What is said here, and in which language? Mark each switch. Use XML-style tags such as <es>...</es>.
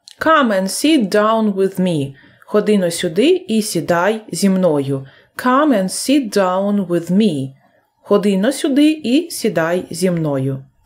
<en>Come and sit down with me.</en> <uk>Ходи но сюди і сідай зі мною.</uk> <en>Come and sit down with me.</en> <uk>Ходи но сюди і сідай зі мною.</uk>